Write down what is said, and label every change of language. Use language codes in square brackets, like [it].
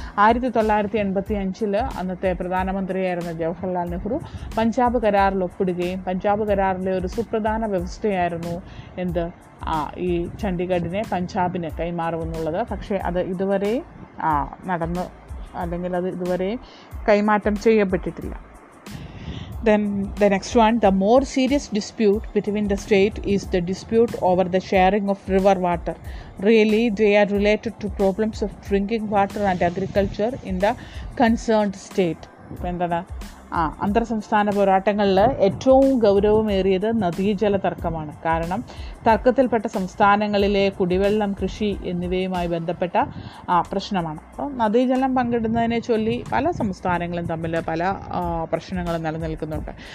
[ml] 1985 അന്നത്തെ പ്രധാനമന്ത്രിയായിരുന്ന ജവഹർലാൽ നെഹ്റു പഞ്ചാബ് കരാറിൽ ഒപ്പിടുകയും പഞ്ചാബ് കരാറിലെ ഒരു സുപ്രധാന വ്യവസ്ഥയായിരുന്നു എന്ത് ഈ ചണ്ഡീഗഡിനെ പഞ്ചാബിന് കൈമാറുമെന്നുള്ളത്. പക്ഷേ അത് ഇതുവരെയും നടന്നു, അല്ലെങ്കിൽ അത് ഇതുവരെയും കൈമാറ്റം ചെയ്യപ്പെട്ടിട്ടില്ല. [en] Then the next one, the more serious dispute between the state is the dispute over the sharing of river water. Really, they are related to problems of drinking water and agriculture in the concerned state. [ml] എന്താണ് അന്തർസംസ്ഥാന പോരാട്ടങ്ങളിൽ ഏറ്റവും ഗൗരവമേറിയത് നദീജല തർക്കമാണ്. കാരണം തർക്കത്തിൽപ്പെട്ട സംസ്ഥാനങ്ങളിലെ കുടിവെള്ളം, കൃഷി എന്നിവയുമായി ബന്ധപ്പെട്ട പ്രശ്നമാണ്. അപ്പോൾ നദീജലം പങ്കിടുന്നതിനെ ചൊല്ലി പല സംസ്ഥാനങ്ങളും തമ്മിൽ പല പ്രശ്നങ്ങളും നിലനിൽക്കുന്നുണ്ട്.